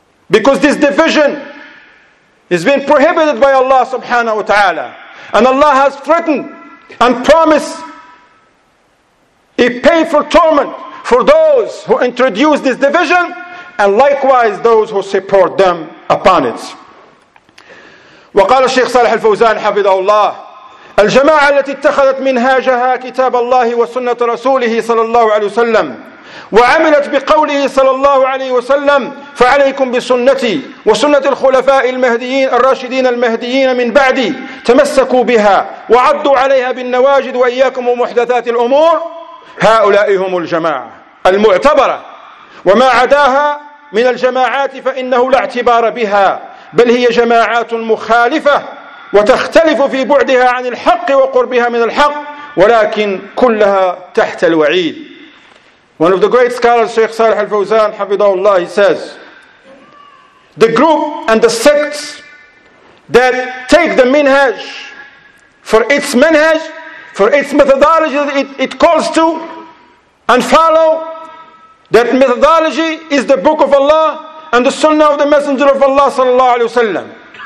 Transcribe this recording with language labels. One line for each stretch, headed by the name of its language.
English: Because this division is being prohibited by Allah subhanahu wa ta'ala. And Allah has threatened and promised a painful torment for those who introduce this division and likewise those who support them upon it.
Arabic: وقال الشيخ صالح الفوزان حفظه الله الجماعة التي اتخذت منهاجها كتاب الله وسنة رسوله صلى الله عليه وسلم وعملت بقوله صلى الله عليه وسلم فعليكم بسنتي وسنة الخلفاء المهديين الراشدين المهديين من بعدي تمسكوا بها وعضوا عليها بالنواجذ وإياكم ومحدثات الأمور هؤلاء هم الجماعة المعتبرة وما عداها من الجماعات فإنه لا اعتبار بها بل هي جماعات مخالفة وتختلف في بعدها عن الحق وقربها من الحق ولكن كلها تحت الوعيد.
English: One of the great scholars, Sheikh Salih al-Fawzan, Hafidhahullah, he says, the group and the sects that take the minhaj for its manhaj, for its methodology that it calls to and follow, that methodology is the book of Allah and the sunnah of the Messenger of Allah sallallahu alayhi wa sallam.